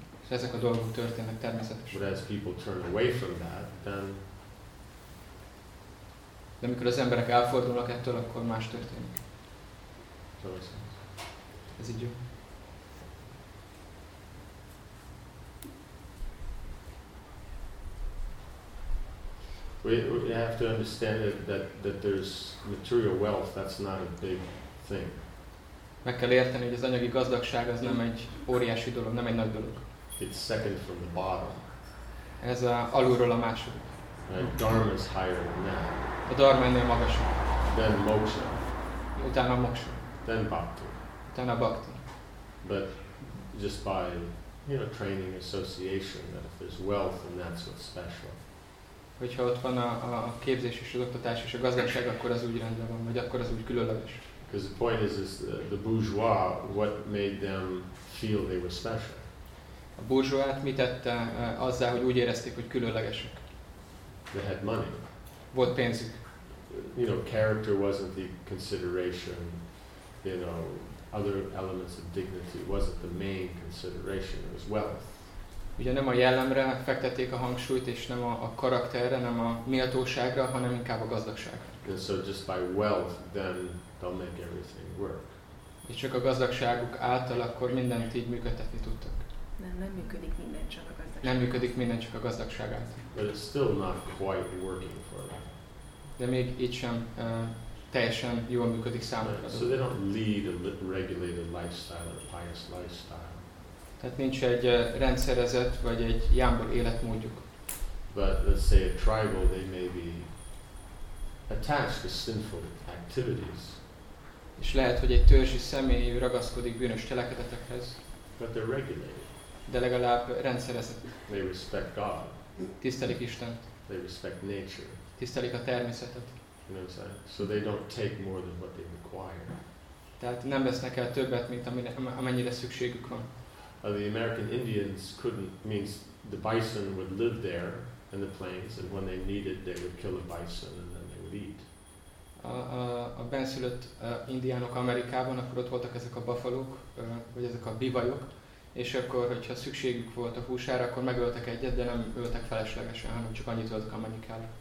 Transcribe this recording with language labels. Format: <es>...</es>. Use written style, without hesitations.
<hu>És ezek a dolgok történnek természetesen.</hu> <en>But as people turn away from that, then</en> <hu>de amikor az emberek elfordulnak ettől, akkor más történik. Ez így jó.</hu> <en>We have to understand that there's material wealth, that's not a big thing.</en> <hu>Meg kell érteni, hogy az anyagi gazdagság az nem egy óriási dolog, nem egy nagy dolog.</hu> <en>It's second from the bottom.</en> <hu>Ez a alulról a második.</hu> <en>Dharma is higher than that.</en> <hu>A dharma ennél magasabb.</hu> <en>Then moksha.</en> <hu>Utána moksha.</hu> <en>Then bhakti.</en> <hu>Utána bhakti.</hu> <en>But just by, you know, training association, that if there's wealth, then that's what's special.</en> <hu>Hogyha ott van a képzés és az oktatás és a gazdagság, akkor az úgy rendben van, vagy akkor az úgy különleges.</hu> <en>Because the point is the bourgeois, what made them feel they were special.</en> <hu>A bourgeoisát mi tette azzá, hogy úgy érezték, hogy különlegesek?</hu> <en>They had money.</en> <hu>Volt pénzük.</hu> <en>You know, character wasn't the consideration. You know, other elements of dignity wasn't the main consideration. It was wealth.</en> <hu>Ugye nem a jellemre fektették a hangsúlyt, és nem a karakterre, nem a méltóságra, hanem inkább a gazdagságra.</hu> <en>And so just by wealth, then they'll make everything work.</en> <hu>És csak a gazdagságuk által akkor mindent így működtetni tudtak. Nem működik minden csak a gazdagság. Nem működik minden csak a gazdagság által.</hu> <en>But it's still not quite working for them.</en> <hu>De még így sem teljesen jól működik számukra.</hu> <en>So they don't lead a regulated lifestyle, a pious lifestyle.</en> <hu>Tehát nincs egy rendszerezett vagy egy jámbor életmódjuk.</hu> <en>But let's say a tribal, they may be attached to sinful activities.</en> <hu>És lehet, hogy egy törzsi személy ragaszkodik bűnös cselekedetekhez.</hu> <en>But they're regulated.</en> <hu>De legalább rendszerezett.</hu> <en>They respect God.</en> <hu>Tisztelik Istent.</hu> <en>They respect nature.</en> <hu>Tisztelik a természetet.</hu> <en>You know what I'm saying? So they don't take more than what they require.</en> <hu>Tehát nem vesznek el többet, mint amennyire szükségük van.</hu> <en>The American Indians couldn't, means the bison would live there in the plains, and when they needed, they would kill a bison and then they would eat.</en> <hu>A benszülött indiánok Amerikában, akkor ott voltak ezek a buffalók, vagy ezek a bivajok. És akkor, hogyha szükségük volt a húsára, akkor megöltek egyet, de nem öltek feleslegesen, hanem csak annyit öltek, amennyi kell.</hu>